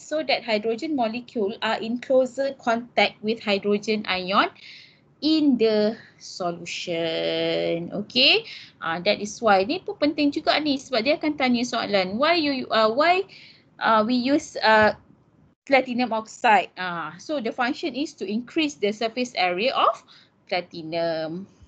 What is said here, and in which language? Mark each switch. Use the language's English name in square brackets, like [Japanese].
[English] So that hydrogen molecule are in closer contact with hydrogen ion in the solution. Okay, that is why. [Malay] Ni pun penting juga ni sebab dia akan tanya soalan. [English] Why we use platinum oxide. So the function is to increase the surface area of platinum.